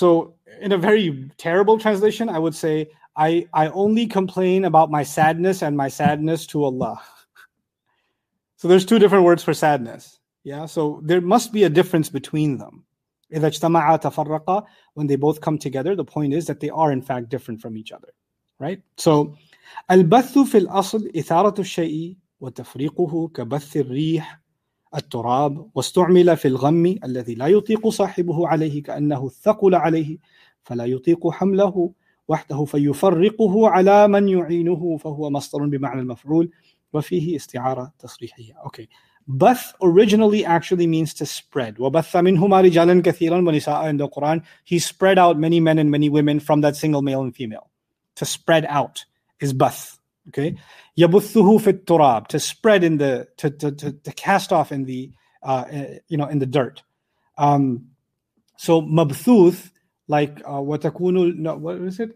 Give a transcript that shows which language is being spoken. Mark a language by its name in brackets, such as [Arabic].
[English] So in a very terrible translation, I would say, I only complain about my sadness and my sadness to Allah. So there's two different words for sadness. Yeah, so there must be a difference between them. [Arabic] إِذَا اجْتَمَعَا تَفَرَّقَا. [English] When they both come together, the point is that they are in fact different from each other. Right? [Arabic] So, الْبَثُّ فِي الْأَصْلِ إِثَارَةُ الشَّيْءِ وَتَفْرِيقُهُ كَبَثِّ الرِّيحِ التراب واستعمل في الغم الذي لا يطيق صاحبه عليه كأنه ثقل عليه فلا يطيق حمله وحده فيفرقه على من يعينه فهو مصدر بمعنى المفعول وفيه استعارة تصريحية. [English] Okay, bath originally actually means to spread. [Arabic] وبث منهما رجالا كثيرا ونساء. [English] In the Quran, he spread out many men and many women from that single male and female. To spread out is bath. Okay, [Arabic] yabuthuhu fit turab, [English] to spread in the to cast off in the in the dirt. So mabthuth, like [Arabic] watakunu, [English] what is it?